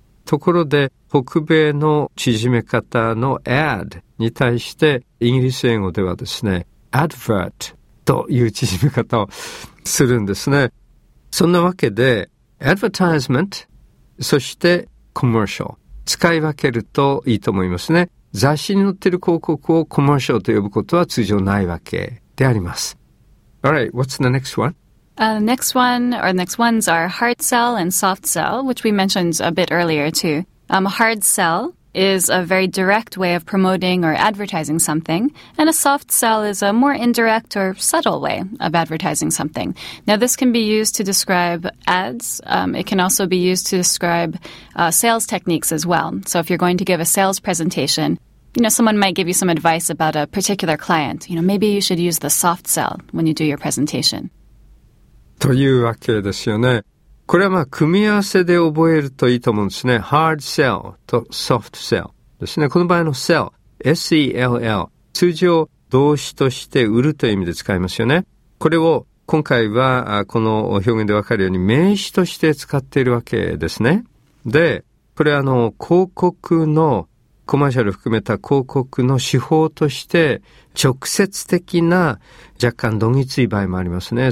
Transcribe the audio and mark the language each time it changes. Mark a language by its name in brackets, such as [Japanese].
[Japanese] ところで北米の縮め方の ad に対してイギリス英語ではですね、advert という縮め方をするんですね。そんなわけで advertisement、そして commercial 使い分けるといいと思いますね。雑誌に載っている広告を commercial と呼ぶことは通常ないわけであります。 [English] Alright, what's the next one? The next ones are hard sell and soft sell, which we mentioned a bit earlier too. Hard sell is a very direct way of promoting or advertising something, and a soft sell is a more indirect or subtle way of advertising something. Now, this can be used to describe ads. It can also be used to describe sales techniques as well. So if you're going to give a sales presentation, you know, someone might give you some advice about a particular client. You know, maybe you should use the soft sell when you do your presentation. [Japanese] というわけですよね。これはまあ組み合わせで覚えるといいと思うんですね。 hard sell と soft sell ですね。この場合の sell、S-E-L-L、通常動詞として売るという意味で使いますよね。これを今回はこの表現でわかるように名詞として使っているわけですね。で、これは広告の、コマーシャルを含めた広告の手法として直接的な若干どぎつい場合もありますね。